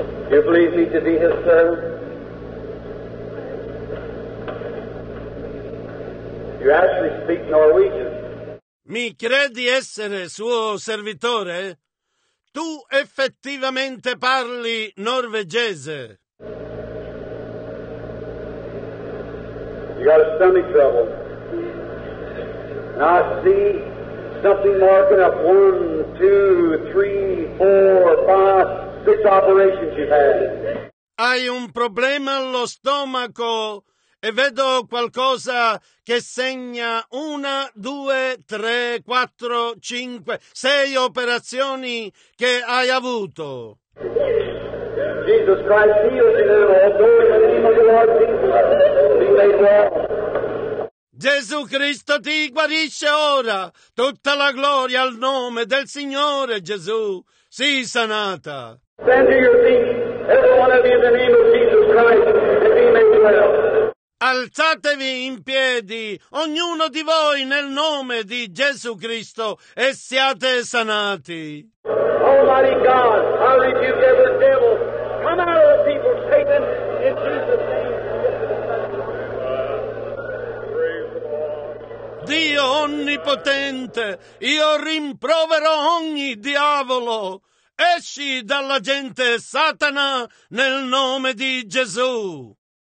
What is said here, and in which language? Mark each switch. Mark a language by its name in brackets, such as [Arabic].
[English] You believe me to be his son? You actually speak Norwegian. [Italian] Mi credi essere suo servitore? Tu effettivamente parli norvegese. [English] You got a stomach trouble. And I see something marking up 1, 2, 3, 4, 5, 6 operations you've had. [Italian] Hai un problema allo stomaco? E vedo qualcosa che segna 1, 2, 3, 4, 5, 6 operazioni che hai avuto. [English] Jesus Christ, heal you in the name of the Lord Jesus. Be made well. [Italian] Gesù Cristo ti guarisce ora. Tutta la gloria al nome del Signore Gesù. Sii sanata. [English] Stand to your feet, every one of you, in the name of Jesus Christ, and be made well. [Italian] Alzatevi in piedi, ognuno di voi, nel nome di Gesù Cristo, e siate sanati. [English] Almighty God, I rebuke every devil. Come out of the people, Satan, in Jesus' name. [Italian] Dio onnipotente, io rimproverò ogni diavolo. Esci dalla gente, Satana, nel nome di Gesù.